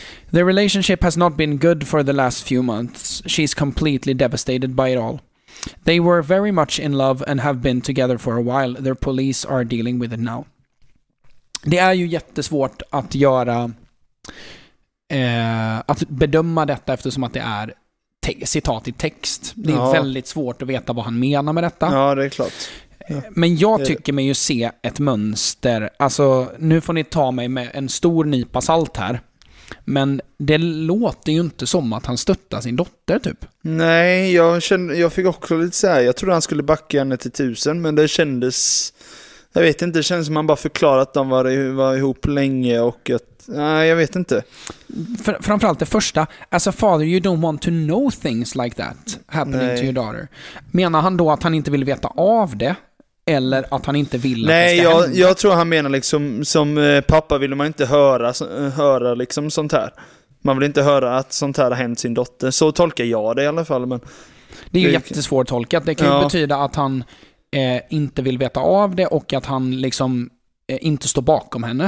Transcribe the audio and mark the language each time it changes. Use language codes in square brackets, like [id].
[en] "The relationship has not been good for the last few months. She is completely devastated by it all. They were very much in love and have been together for a while. Their police are dealing with it now." [sv] Det är ju jättesvårt att göra, att bedöma detta, eftersom att det är citat i text. Det är väldigt svårt att veta vad han menar med detta. Ja, det är klart. Men jag tycker mig ju se ett mönster. Alltså, nu får ni ta mig med en stor nypa salt här. Men det låter ju inte som att han stöttar sin dotter typ. Nej, jag kände, jag fick också lite så här. Jag trodde han skulle backa henne till 1000, men det kändes, jag vet inte, det kändes som han bara förklarat att de var ihop länge och att, nej, jag vet inte. Framförallt det första, [en] as a father you don't want to know things like that happening to your daughter. [sv] Menar han då att han inte vill veta av det? Eller att han inte vill Nej, att det ska hända. Jag tror han menar liksom, som pappa vill man inte höra liksom sånt här. Man vill inte höra att sånt här har hänt sin dotter. Så tolkar jag det i alla fall. Men det är ju jättesvårt tolkat. Det kan ju betyda att han inte vill veta av det och att han liksom inte står bakom henne.